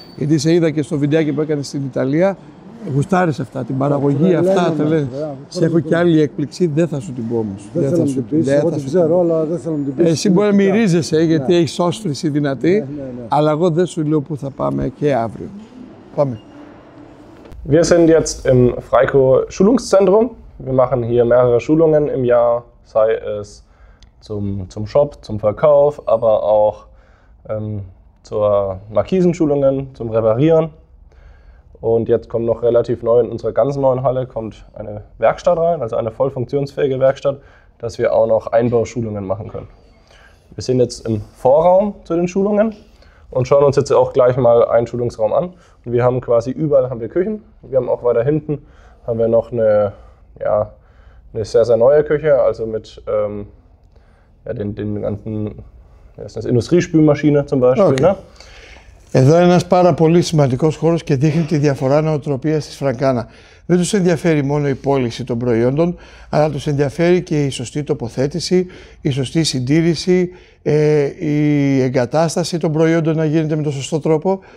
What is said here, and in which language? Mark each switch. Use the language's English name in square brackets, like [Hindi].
[Greek] Γιατί σε είδα και στο βιντεάκι που έκανες στην Ιταλία. Γουστάρεις αυτά, την παραγωγή λένε, αυτά. Λένε, λένε. Σε έχω και άλλη έκπληξη, δεν θα σου την πω όμως. Δεν θέλω να την πεις, εγώ την ξέρω, αλλά δεν θέλω να την πεις. Εσύ μπορεί να μυρίζεσαι, γιατί ναι. έχεις όσφρηση δυνατή, ναι, ναι, ναι. αλλά εγώ δεν σου λέω που θα πάμε και αύριο. Πάμε. [German] Wir sind jetzt im Freiko Schulungszentrum. Wir machen hier mehrere Schulungen im Jahr, sei es zum Shop, zum Verkauf, aber auch zur Markisenschulungen, zum Reparieren. Und jetzt kommt noch relativ neu in unserer ganz neuen Halle kommt eine Werkstatt rein, also eine voll funktionsfähige Werkstatt, dass wir auch noch Einbauschulungen machen können. Wir sind jetzt im Vorraum zu den Schulungen und schauen uns jetzt auch gleich mal einen Schulungsraum an. Und wir haben quasi überall haben wir Küchen. Wir haben auch weiter hinten haben wir noch eine, ja, eine sehr, sehr neue Küche, also mit den ganzen, das ist Industriespülmaschine zum Beispiel, okay. ne? [Greek] Εδώ είναι ένας πάρα πολύ σημαντικός χώρος και δείχνει τη διαφορά νοοτροπίας της Frankana. Δεν τους ενδιαφέρει μόνο η πώληση των προϊόντων, αλλά τους ενδιαφέρει και η σωστή τοποθέτηση, η σωστή συντήρηση, η εγκατάσταση των προϊόντων να γίνεται με τον σωστό τρόπο.